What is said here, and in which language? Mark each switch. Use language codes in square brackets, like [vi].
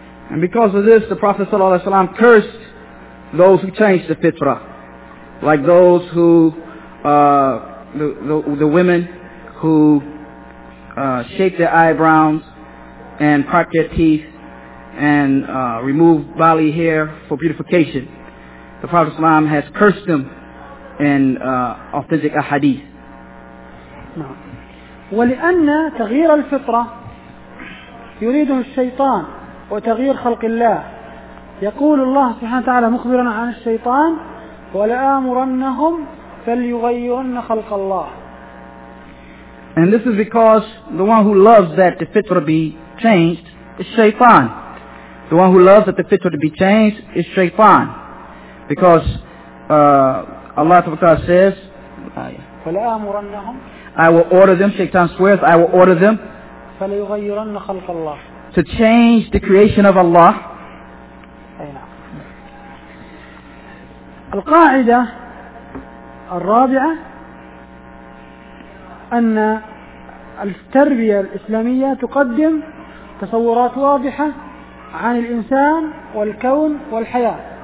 [en] And because of this, the Prophet [ar] صلى الله عليه وسلم [en] cursed those who changed the fitrah, like those who the women who shaped their eyebrows and parted their teeth and removed bodily hair for beautification. The Prophet [ar] صلى الله عليه وسلم [en] has cursed them in authentic ahadith. [ar] ولأن تغيير الفطرة يريده الشيطان وتغيير خلق الله، يقول الله سبحانه وتعالى مخبرا عن الشيطان ولآمرنهم فليغيرن خلق الله. [en] And this is because the one who loves that the fitra be changed is shaytan. The one who loves that the fitra to be changed is shaytan. Because Allah Ta'ala says, [ar] فلآمرنهم [en] I will order them, shaytan swears, I will order them [ar] فليغيرن خلق الله [en] to change the creation of Allah. [ar] القاعدة الرابعة أن التربية الإسلامية تقدم تصورات واضحة عن الإنسان والكون والحياة.